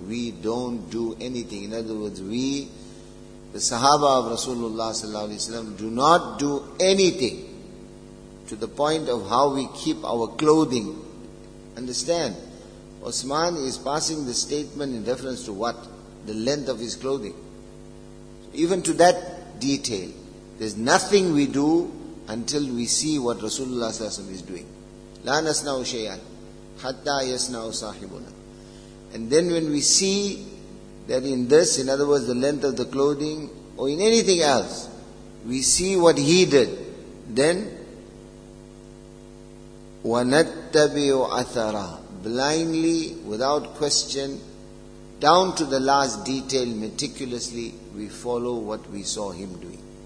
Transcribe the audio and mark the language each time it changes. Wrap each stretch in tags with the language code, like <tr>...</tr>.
<en>We don't do anything. In other words, we, the Sahaba of Rasulullah sallallahu alaihi wasallam, do not do anything to the point of how we keep our clothing. Understand? Uthman is passing the statement in reference to what? The length of his clothing. Even to that detail, there's nothing we do until we see what Rasulullah sallallahu alaihi wasallam is doing.</en> <ar>لا نسنع شيئا حتى يسنع صاحبنا.</ar> <en>And then when we see that in this, in other words, the length of the clothing, or in anything else, we see what he did, then</en> <ar>وَنَتَّبِعُ أَثَرَى</ar> <en>blindly, without question, down to the last detail, meticulously, we follow what we saw him doing.</en>